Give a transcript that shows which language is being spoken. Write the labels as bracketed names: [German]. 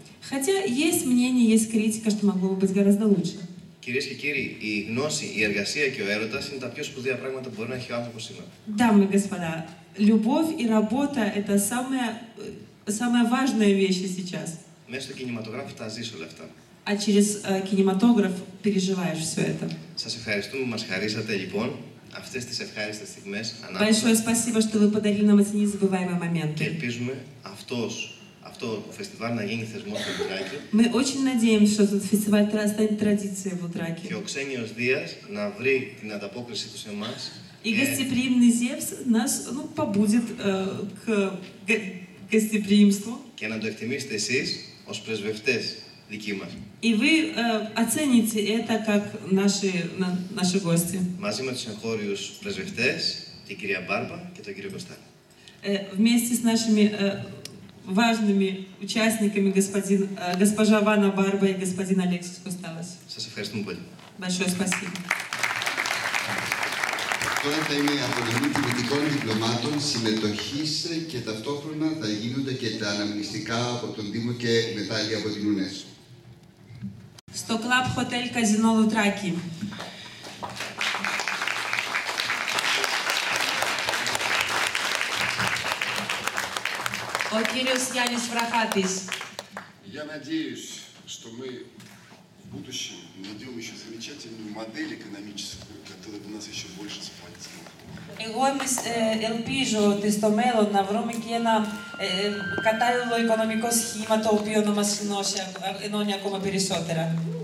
[Russian] Хотя есть мнение, есть критика, что могло бы быть гораздо лучше. [Greek] Κυρίες και κύριοι, η γνώση, η εργασία και ο έρωτας είναι τα πιο σπουδαία πράγματα που μπορεί να έχει ο άνθρωπος σήμερα. [Russian] Дамы и господа, любовь и работа – это самая важная вещь сейчас. [Greek] Μέσω του κινηματογράφου τα ζεις όλα αυτά. [Russian] А через кинематограф переживаешь все это. [Greek] Σας ευχαριστούμε, μας χαρίσατε λοιπόν αυτές τις ευχάριστες στιγμές. [Russian] Большое спасибо, что вы подарили нам эти незабываемые моменты. [Greek] Και ελπίζουμε αυτό το φεστιβάλ να γίνει θεσμός στο Λουτράκι. [Russian] Мы очень надеемся, что этот фестиваль станет традицией в Лутраке. [Greek] Και ο Ξένιος Δίας να βρει την ανταπόκριση του σε εμάς. [Russian] И гостеприимный Зевс нас побудет к гостеприимству. [Greek] Και να το εκτιμήσετε εσείς ως πρεσβευτές. Δική μας. [Russian] И вы оцените это как наши гости. [Greek] Μαζί με τους εγχώριους πρεσβευτές, την κυρία Μπάρμπα και τον κύριο Κωνστάκη. [Russian] Вместе с нашими важными участниками, госпожа Ванна Барба и господин Алексис Косталас. [Greek] Σας ευχαριστούμε πολύ. [Russian] Большое спасибо. [Greek] Τώρα θα είναι η αποδομή τυπητικών διπλωμάτων, συμμετοχής και ταυτόχρονα θα γίνονται και τα αναμνηστικά από τον Δήμο και μετάλλια από την ΟΝΕΣΟ. Στο Club Hotel Casino Λουτράκη. Ο κύριος Γιάννης Βραχάτης. [Russian] Я надеюсь, что мы в будущем найдем еще замечательную модель экономическую, которая бы нас еще больше сплотила. [Greek] Εγώ ελπίζω ότι στο μέλλον να βρούμε και ένα κατάλληλο οικονομικό σχήμα το οποίο να μας ενώνει ακόμα περισσότερα.